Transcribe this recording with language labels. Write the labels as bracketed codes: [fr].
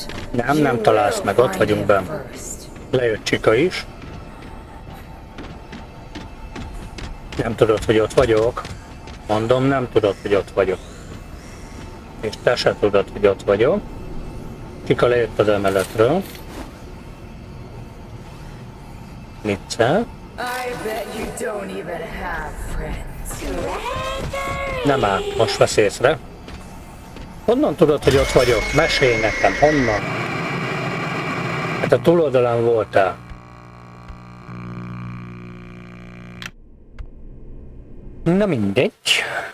[hu] Nem, nem találsz meg, ott vagyunk benne. Lejött Csika is. Nem tudod, hogy ott vagyok. Mondom, nem tudod, hogy ott vagyok. És te se tudod, hogy ott vagyok. Csika lejött az emeletről. [en] Nice. I bet you don't even have friends. [hu] Nem áll, most vesz észre. Honnan tudod, hogy ott vagyok? Mesélj nekem, honnan? Hát a túloldalán voltál. Na mindegy.